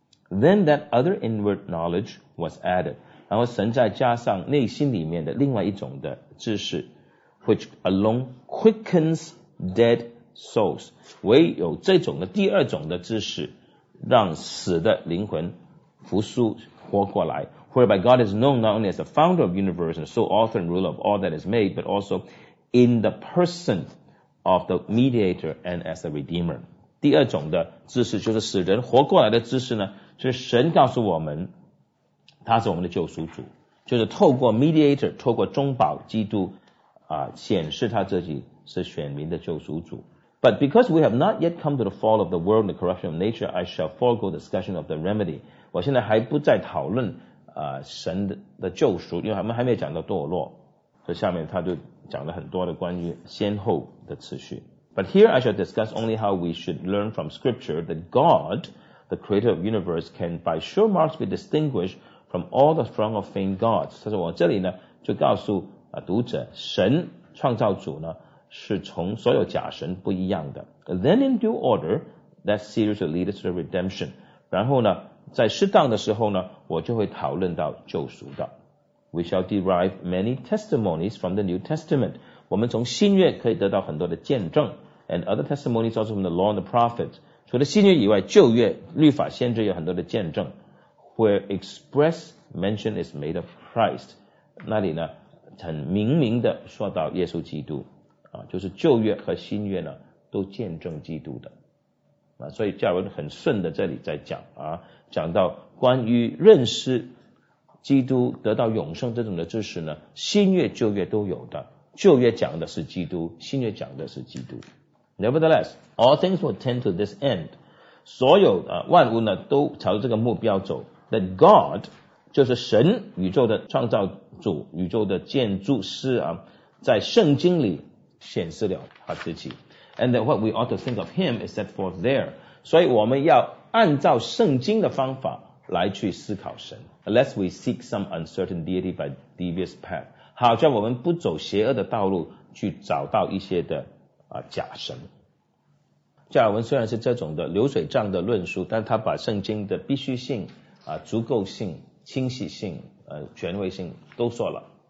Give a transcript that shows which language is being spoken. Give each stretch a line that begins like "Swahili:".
English: Then that other inward knowledge was added，
Chinese: 然后神再加上内心里面的另外一种的知识，
English: which alone quickens dead souls，
Chinese: 唯有这种的第二种的知识让死的灵魂复苏活过来。
English: Whereby God is known not only as the founder of universe and sole author and ruler of all that is made but also in the personof the mediator and as the redeemer。
Chinese: 第二种的知识就是使人活过来的知识呢，是神告诉我们他是我们的救赎主，就是透过 mediator 透过中保基督、显示他自己是选民的救赎主。
English: But because we have not yet come to the fall of the world and the corruption of nature I shall forego discussion of the remedy，
Chinese: 我现在还不再讨论、神的救赎，因为我们还没有讲到堕落。所以下面他就讲了很多的关于先后的次序。
English: But here I shall discuss only how we should learn from scripture that God, the creator of the universe, can by sure marks be distinguished from all the throng of feigned gods.
Chinese: 他说我这里呢就告诉读者神创造主呢是从所有假神不一样的。
English: Then in due order, that series will lead us to the redemption.
Chinese: 然后呢在适当的时候呢我就会讨论到救赎的。
English: We shall derive many testimonies from the New Testament.
Chinese: 我们从新约可以得到很多的见证。
English: And other testimonies also from the law and the prophets.
Chinese: 除了新约以外旧约律法先知有很多的见证。
English: Where express mention is made of Christ.
Chinese: 那里呢很明明的说到耶稣基督。啊、就是旧约和新约呢都见证基督的。啊、所以加尔文很顺的这里在讲啊讲到关于认识基督得到永生这种的知识呢新约旧约都有的。旧约讲的是基督新约讲的是基督。
English: Nevertheless, all things will tend to this end.
Chinese: 所有、万物呢都朝这个目标走
English: that God,
Chinese: 就是神宇宙的创造主宇宙的建筑师啊在圣经里显示了他自己。
English: And that what we ought to think of him is set forth there.
Chinese: 所以我们要按照圣经的方法来去思考神。
English: Unless we seek some uncertain deity by devious path.
Chinese: 好像我们不走邪恶的道路去找到一些的、假神。加尔文虽然是这种的流水账的论述但他把圣经的必须性、足够性、清晰性、权威性都说了。